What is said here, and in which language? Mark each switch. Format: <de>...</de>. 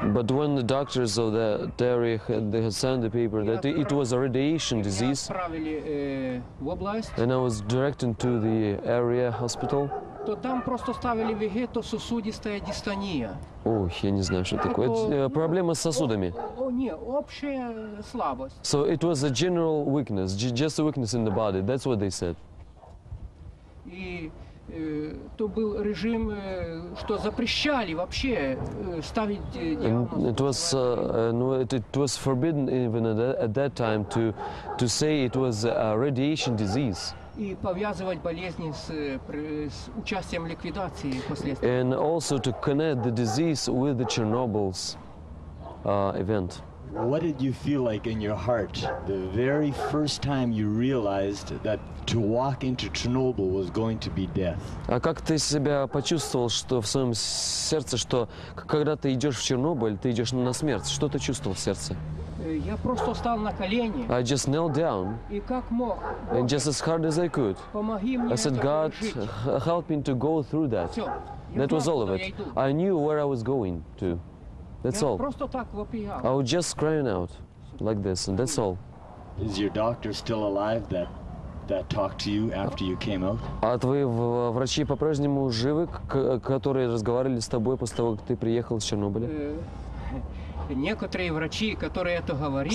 <en>But when the doctors of the area had signed the paper that it was a radiation disease.</en> <ru>Отправили в область.</ru> <en>And I was directed to the area hospital.</en> <ru>То там просто ставили вегетососудистая дистония. Ох, я не знаю, что такое. Проблема с сосудами. Не, общая слабость.</ru> <en>So it was a general weakness, just a weakness in the body. That's what they said.</en> <ru>И то был режим, что запрещали вообще ставить диагноз.</ru> <en>It was forbidden even at that time to say it was a radiation disease.</en> <ru>И повязывать болезни с участием ликвидации последствий.</ru> <en>And also to connect the disease with the Chernobyl's event. What did you feel like in your heart the very first time you realized that to walk into Chernobyl was going to be death?</en> <ru>А как ты себя почувствовал, что в своем сердце, что когда ты идешь в Чернобыль, ты идешь на смерть? Что ты чувствовал в сердце? Я просто встал на колени.</ru> <en>I just knelt down.</en> <ru>И как мог?</ru> <en>And just as hard as I could.</en> <ru>Помоги мне.</ru> <en>I said, God, help me to go through that. That was all of it. I knew where I was going to. That's all. I was just crying out like this, and that's all. Is your doctor still alive that talked to you after you came out?</en> <ru>А твои врачи по-прежнему живы, которые разговаривали с тобой после того, как ты приехал из Чернобыля? Некоторые врачи, которые это говорили.</ru>